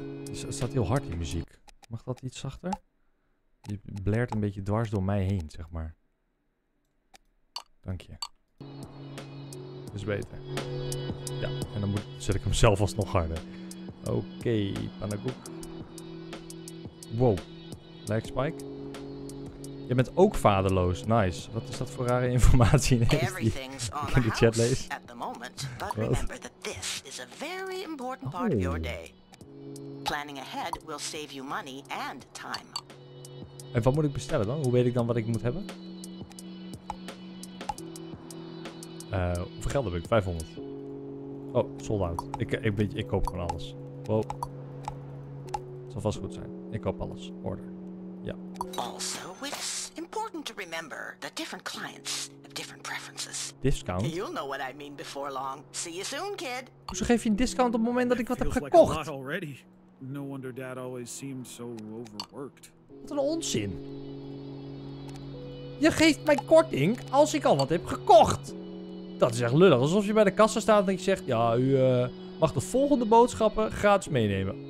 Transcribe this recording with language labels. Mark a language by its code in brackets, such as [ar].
[nl] Het staat heel hard die muziek. Mag dat iets zachter? Je blaart een beetje dwars door mij heen, zeg maar. Dank je. Is beter. Ja, en dan zet ik hem zelf alsnog harder. Oké, pannenkoek. Wow. Like Spike. Je bent ook vaderloos. Nice. Wat is dat voor rare informatie ineens die ik in de chat lees? [en] At the moment, but remember that this is a very important part of your day. Planning ahead will save you money and time. [nl] En wat moet ik bestellen dan? Hoe weet ik dan wat ik moet hebben? Hoeveel geld heb ik? 500. Oh, sold out. Ik koop gewoon alles. Wow. Het zal vast goed zijn. Ik koop alles. Order. Ja. [en] Also, it's important to remember that different clients have different preferences. Discount? You'll know what I mean before long. See you soon, kid. [nl] Hoezo geef je een discount op het moment dat ik wat heb gekocht? [en] Like a lot already. No wonder dad always seemed so overworked. [nl] Wat een onzin. Je geeft mij korting als ik al wat heb gekocht. Dat is echt lullig. Alsof je bij de kassa staat en je zegt, ja, u mag de volgende boodschappen gratis meenemen.